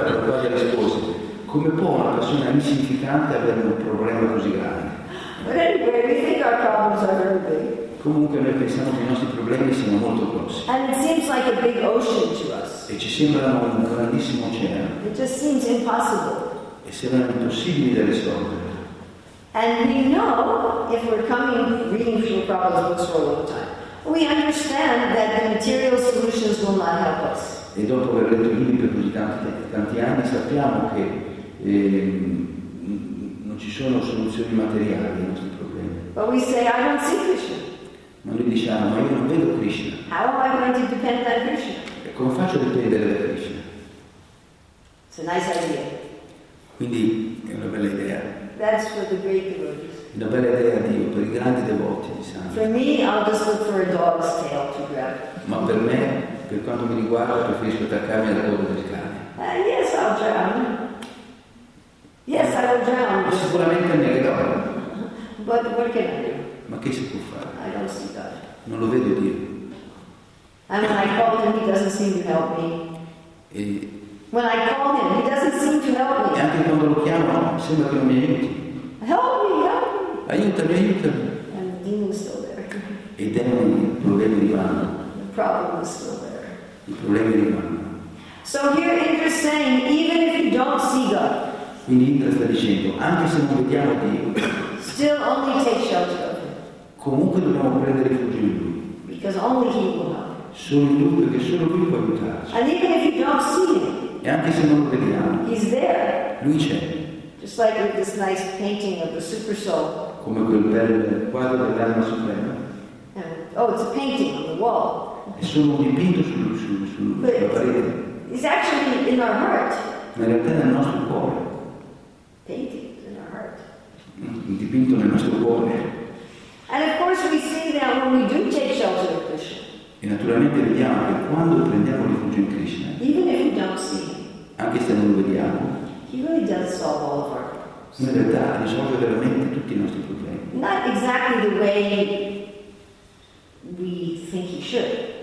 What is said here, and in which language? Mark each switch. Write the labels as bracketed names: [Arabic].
[Italian] Allora Prabhupada rispose, "Come può una persona insignificante avere un problema così grande?" [English] But anyway, we think our problems are very big. [Italian] Comunque noi pensiamo che i nostri problemi siano molto grossi. [English] And it seems like a big ocean to us. [Italian] E ci sembra un grandissimo oceano. [English] It just seems impossible. [Italian] E sembra impossibile da risolvere. [English] And we know, if we're coming reading through Prabhupada's books for a long time, we understand that the material solutions will not help us. [Italian] E dopo aver letto i libri per così tanti anni sappiamo che non ci sono soluzioni materiali ai nostri problemi. [English] But we say, "I don't see Krishna." [Italian] Ma noi diciamo, "Ma io non vedo Krishna." [English] How am I going to depend on Krishna? [Italian] E come faccio a dipendere da Krishna? [English] It's a nice idea. [Italian] Quindi è una bella idea. [English] That's for the great devotees. [Italian] Una bella idea a Dio, per i grandi devoti, diciamo. [English] For me, I'll just look for a dog's tail to grab. [Italian] Ma per me, per quanto mi riguarda, preferisco attaccarmi alla coda del cane. [English] Yes, I'll drown. Yes, I will drown. [Italian] Ma sicuramente mi aggrappo. [English] But what can I do? [Italian] Ma che si può fare? [English] I don't see God. [Italian] Non lo vedo Dio. [English] And when I call him, he doesn't seem to help me. [Italian] E [English] when I call him, he doesn't seem to help me. [Italian] E anche quando lo chiamo, sembra che non mi aiuti. [English] Help me, help me. [Italian] Aiutami, aiutami. [English] And the demon's still there. [Italian] E i demoni, i problemi rimangono. [English] The problem is still there. [Italian] I problemi rimangono. [English] So here Indra is saying, even if you don't see God. [Italian] Quindi Indra sta dicendo, anche se non vediamo Dio. [English] Still only take shelter. [Italian] Comunque dobbiamo prendere rifugio in lui. [English] Because only he will help. [Italian] Solo in lui, perché solo lui può aiutarci. [English] And even if you don't see him, [Italian] e anche se non lo vediamo, [English] he's there. [Italian] lui c'è. [English] Just like with this nice painting of the super soul. [Italian] Come quel bel quadro dell'anima suprema. [English] Oh, it's a painting on the wall. [Italian] È solo un dipinto sulla parete. [English] It's actually in our heart. [Italian] Ma in realtà nel nostro cuore. [English] Painting in our heart. [Italian] Un dipinto nel nostro cuore. [English] And of course we see that when we do take shelter of Krishna. [Italian] E naturalmente vediamo che quando prendiamo rifugio in Krishna. [English] Even if we don't see. [Italian] Anche se non lo vediamo. [English] He really does solve all of our problems. [Italian] In realtà risolve veramente tutti i nostri problemi. [English] Not exactly the way we think he should.